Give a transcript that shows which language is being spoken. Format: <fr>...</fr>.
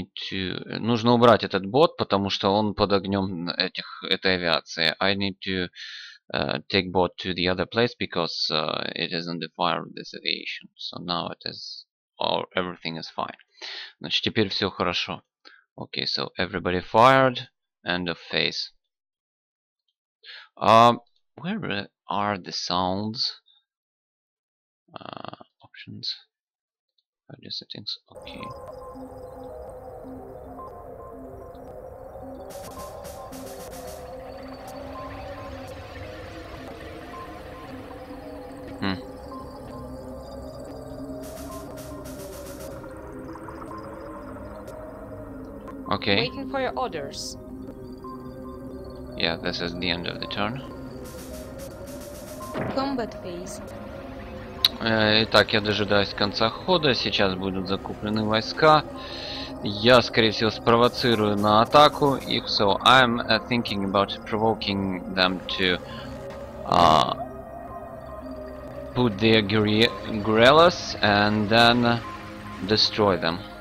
<ru>Нужно убрать этот бот, потому что он под огнем этой авиации.</ru> <en>I need to take bot to the other place because it is under fire of this aviation. So now it is all, everything is fine.</en> <ru>Значит, теперь все хорошо.</ru> <en>Okay, so everybody fired. End of phase. Where are the sounds? Options. Audio settings. Okay. Okay. Waiting for your orders. Yeah, this is the end of the turn. Combat phase.</en> <ru>Итак, я дожидаюсь конца хода. Сейчас будут закуплены войска. Я, скорее всего, спровоцирую на атаку их.</ru> <en>So I'm thinking about provoking them to put their guerrillas and then destroy them.</en>